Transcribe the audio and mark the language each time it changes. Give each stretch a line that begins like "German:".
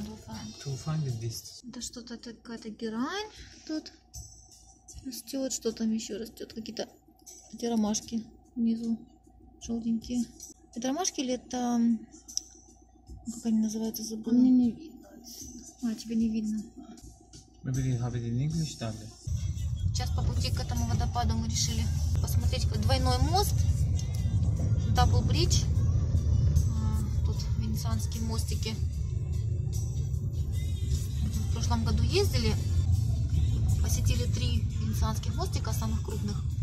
English: to find it this.
Russian: Это что-то, какая-то герань тут. Растет, что там еще растет? Какие-то эти ромашки внизу. Желтенькие. Это ромашки или это... Как они называются, забыла? Мне не видно. А, тебе не видно.
English: Maybe you have it in English, darling.
Russian: Сейчас по пути к этому водопаду мы решили посмотреть двойной мост.
English: Double bridge.
Russian: Тут венецианские мостики. Мы в прошлом году ездили, посетили три венецианских мостика самых крупных.